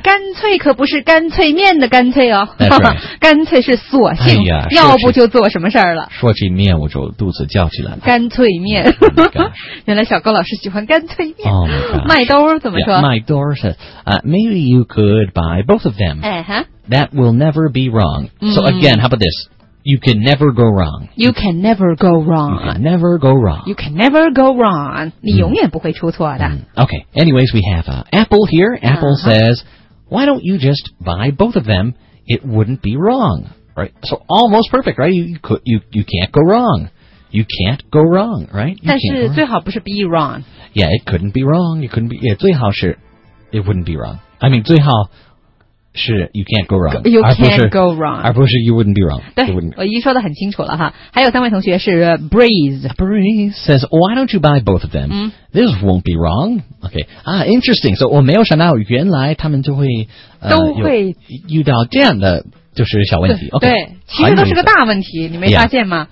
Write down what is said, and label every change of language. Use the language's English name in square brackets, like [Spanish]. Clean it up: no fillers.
[Chinese] 干脆可不是干脆面的干脆哦。 [English] That's right. [Chinese] 干脆是索性、哎、要不就做什么事儿了。说起面我就肚子叫起来了。干脆面。 Oh、原来小高老师喜欢干脆面。 Oh、麦兜怎么说 [English] yeah, 麦兜是、 maybe you could buy both of them.、 Uh-huh. That will never be wrong.、 Mm-hmm. So again, how about this? You can never go wrong. You can never go wrong. You can never go wrong. You can never go wrong. 你永远不会出错的。 Okay, anyways, we have Apple here. Apple、uh-huh. says, why don't you just buy both of them? It wouldn't be wrong. Right? So almost perfect, right? You can't go wrong. You can't go wrong, right? [Chinese] You 但是最好不是 be wrong. [English] Yeah, it couldn't be wrong. It couldn't be, yeah, 最好是 it wouldn't be wrong. I mean, 最好是 you can't go wrong. You can't go wrong. 而不是 you wouldn't be wrong. [Chinese] 对，我已经说得很清楚了哈。还有三位同学是 Breeze. [English] Breeze says, why don't you buy both of them?、嗯、 This won't be wrong. Okay. Ah, interesting. [Chinese] So 我没有想到原来他们就会、都会遇到这样的就是小问题。对, [English] okay, [Chinese] 对，其实都是个大问题，你没发现吗？